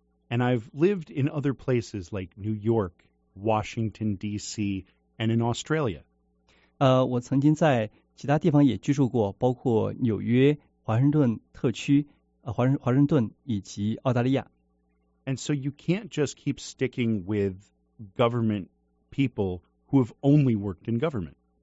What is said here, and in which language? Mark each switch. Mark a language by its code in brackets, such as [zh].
[en] And I've lived in other places like New York, Washington, D.C., and in Australia. [zh] 我曾经在其他地方也居住过，包括纽约、华盛顿特区。华盛顿以及澳大利亚。 [en] And so you can't just keep sticking with government people who have only worked in government.